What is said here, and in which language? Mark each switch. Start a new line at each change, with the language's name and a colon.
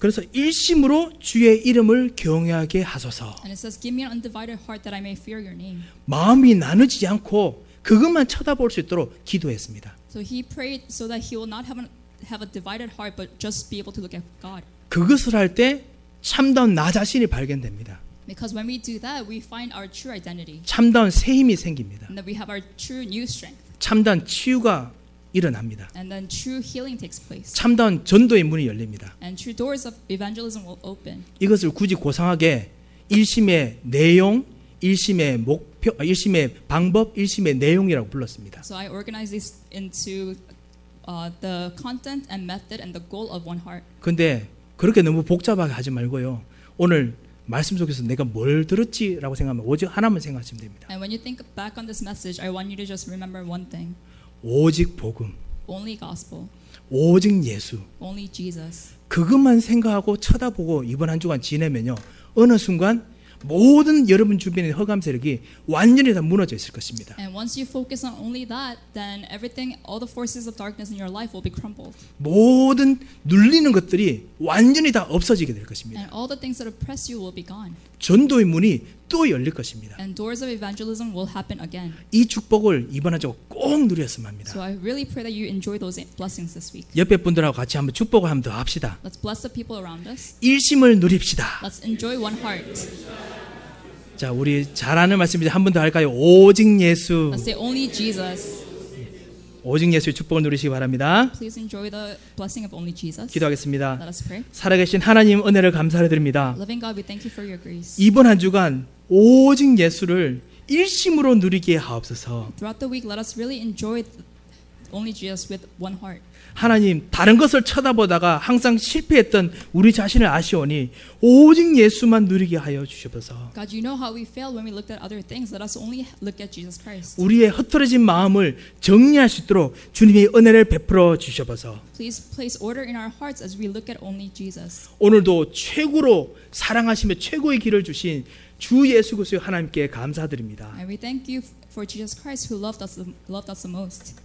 Korean: 그래서 일심으로 주의 이름을 경외하게 하소서.
English: And it says, "Give me an undivided heart that I may fear your name."
Korean: 마음이 나누지 않고 그것만 쳐다볼 수 있도록 기도했습니다.
English: So he prayed so that he will not have a divided heart, but just be able to look at God.
Korean: 그것을 할 때 참다운 나 자신이 발견됩니다.
English: Because when we do that, we find our true identity.
Korean: 참다운 새 힘이 생깁니다.
English: And that we have our true new strength.
Korean: 참다운 치유가 일어납니다.
English: And then true healing takes place.
Korean: 참다운 전도의 문이 열립니다.
English: And true doors of evangelism will open.
Korean: 이것을 굳이 고상하게 일심의 내용, 일심의 목표, 일심의 방법, 일심의 내용이라고 불렀습니다.
English: So I organize this into the content and method and the goal of one heart.
Korean: 근데 그렇게 너무 복잡하게 하지 말고요. 오늘 말씀 속에서 내가 뭘 들었지라고 생각하면 오직 하나만 생각하시면 됩니다.
English: And when you think back on this message, I want you to just remember one thing.
Korean: 오직 복음.
English: Only gospel.
Korean: 오직 예수.
English: Only Jesus.
Korean: 그것만 생각하고 쳐다보고 이번 한 주간 지내면요, 어느 순간 모든 여러분 주변의 허감 세력이 완전히 다 무너져 있을 것입니다.
English: And once you focus on only that, then everything, all the forces of darkness in your life will be crumbled.
Korean: 모든 눌리는 것들이 완전히 다 없어지게 될 것입니다.
English: And all the things that oppress you will be gone.
Korean: 전도의 문이 또 열릴 것입니다.
English: And doors of evangelism will happen again.
Korean: 이 축복을 이번 한 주 꼭 누렸으면 합니다.
English: So I really pray that you enjoy those blessings this week.
Korean: 옆에 분들하고 같이 한번 축복을 한번 더 합시다.
English: Let's bless the people around us.
Korean: 일심을 누립시다.
English: Let's enjoy one heart.
Korean: 자, 우리 잘 아는 말씀이지 한 번 더 할까요? 오직 예수.
English: Let's say only Jesus.
Korean: 오직 예수의 축복을 누리시기 바랍니다.
English: Please enjoy the blessing of only Jesus.
Korean: 기도하겠습니다.
English: Let us pray.
Korean: 살아계신 하나님 은혜를 감사드립니다.
English: Loving God, we thank you for your grace.
Korean: 이번 한 주간 오직 예수를 일심으로 누리게 하옵소서.
English: Throughout the week, let us really enjoy only Jesus with one heart.
Korean: 하나님, 다른 것을 쳐다보다가 항상 실패했던 우리 자신을 아시오니 오직 예수만 누리게 하여 주시옵소서.
English: God, you know how we fail when we looked at other things. Let us only look at Jesus Christ.
Korean: 우리의 흐트러진 마음을 정리할 수 있도록 주님의 은혜를 베풀어 주시옵소서.
English: Please place order in our hearts as we look at only Jesus.
Korean: 오늘도 최고로 사랑하시며 최고의 길을 주신 주 예수 그리스도 하나님께 감사드립니다.
English: And we thank you for Jesus Christ who loved us the most.